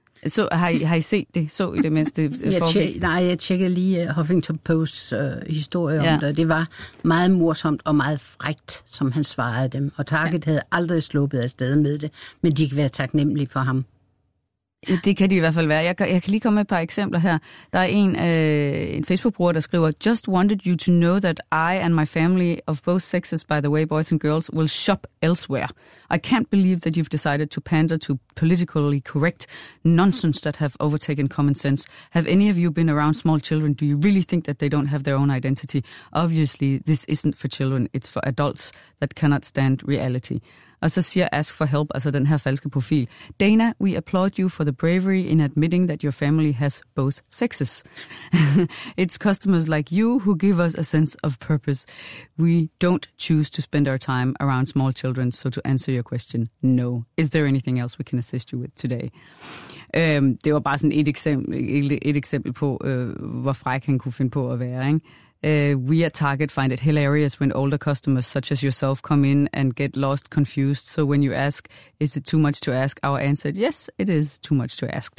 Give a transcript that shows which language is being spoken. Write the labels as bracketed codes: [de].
[da] Så har I set det? Så I det, mens det Nej, jeg tjekkede lige Huffington Posts historie om det. Det var meget morsomt og meget frækt, som han svarede dem. Og Target havde aldrig sluppet afsted med det, men de kan være taknemmelige for ham. Det kan de i hvert fald være. Jeg kan lige komme med et par eksempler her. Der er en Facebook-bruger, der skriver, [en] "Just wanted you to know that I and my family of both sexes, by the way, boys and girls, will shop elsewhere. I can't believe that you've decided to pander to politically correct nonsense that have overtaken common sense. Have any of you been around small children? Do you really think that they don't have their own identity? Obviously, this isn't for children. It's for adults that cannot stand reality." [da] Og så siger Ask for Help, altså den her falske profil, [en] "Dana, we applaud you for the bravery in admitting that your family has both sexes. It's customers like you who give us a sense of purpose. We don't choose to spend our time around small children, so to answer your question, no. Is there anything else we can assist you with today?" [da] Det var bare sådan et eksempel på, hvor fræk han kunne finde på at være, ikke? [en] "We at Target find it hilarious when older customers such as yourself come in and get lost, confused. So when you ask, is it too much to ask? Our answer, yes, it is too much to ask."